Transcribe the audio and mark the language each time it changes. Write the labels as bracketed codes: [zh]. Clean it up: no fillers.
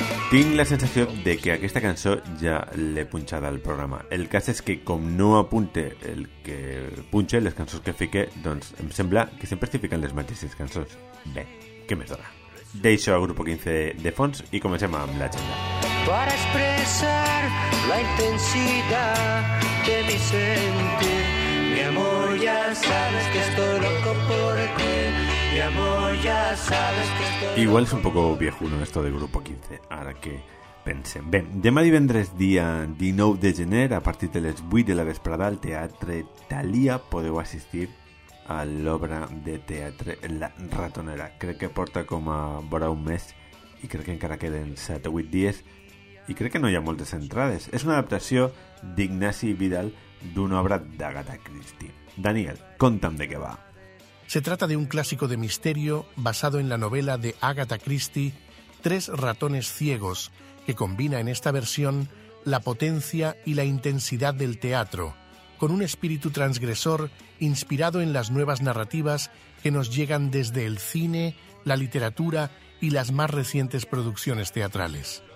[ca] Tinc la sensació de que aquesta cançó ja l'he punxada al programa. El cas és que, com no apunte el que punxe, les cançons que fique, doncs em sembla que sempre estic ficant les mateixes cançons. Bé, què més dona? Deixo el Grupo 15 de fons i comencem amb l'agenda. Per expressar la intensitat de [es] mi sentir, mi amor, ya sabes que estoy loco por ti. mi amor, ya sabes que estoy. Igual es un poco viejuno esto del Grupo 15, ahora que pensem. [ca] Bé, demà divendres, dia 19 de gener, a partir de les 8 de la vesprada, al Teatre Thalia podeu assistir a l'obra de teatre La Ratonera. Crec que porta com a vora un mes i crec que encara queden 7 o 8 dies i crec que no hi ha moltes entrades. És una adaptació d'Ignasi Vidal d'una obra d'Agatha Christie. Daniel, conta'm de què va. [es] Se trata de un clásico de misterio basado en la novela de Agatha Christie Tres ratones ciegos, que combina en esta versión la potencia y la intensidad del teatro, con un espíritu transgresor inspirado en las nuevas narrativas que nos llegan desde el cine, la literatura y las más recientes producciones teatrales.